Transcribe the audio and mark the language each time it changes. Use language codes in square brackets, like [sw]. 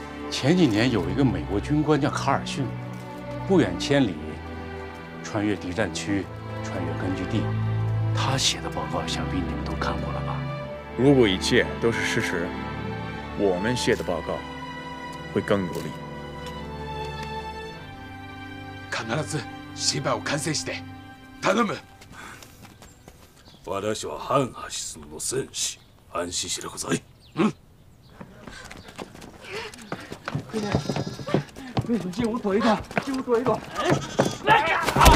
[zh] 前几年有一个美国军官叫卡尔逊，不远千里穿越敌占区，穿越根据地，他写的报告想必你们都看过了吧。如果一切都是事实，我们写的报告会更有力。 [ja] 必ず芝居を完成して頼む。私は反ナシズムの戦士、安心してください。うん。 [zh] 快点，快点，借我躲一躲，借我躲一躲。来呀！来！